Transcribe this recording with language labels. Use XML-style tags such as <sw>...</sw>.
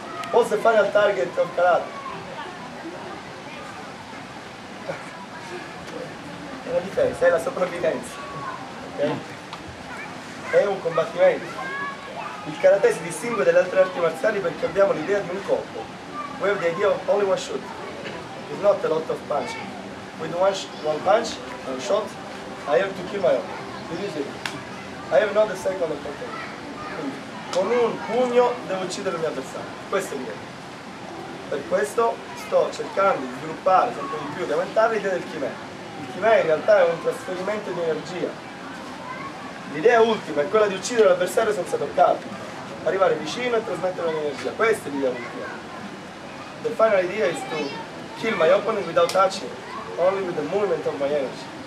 <en>What's the final target of karate?</en> <it>È la difesa, è la sopravvivenza. Okay? È un combattimento. Il karate si distingue dalle altre arti marziali perché abbiamo l'idea di un colpo.</it> <en>We have the idea of only one shot. It's not a lot of punching. With one shot, I have to kill my own. This is it. I have not a second opportunity.</en> <it>Con un pugno devo uccidere il mio avversario, questo è il mio. Per questo sto cercando di sviluppare sempre di più, di aumentare l'idea del kime. Il kime in realtà è un trasferimento di energia. L'idea ultima è quella di uccidere l'avversario senza toccarlo, arrivare vicino e trasmettere l'energia. Questa è l'idea ultima.</it> <en>The final idea is to kill my opponent without touching, only with the movement of my energy.</en>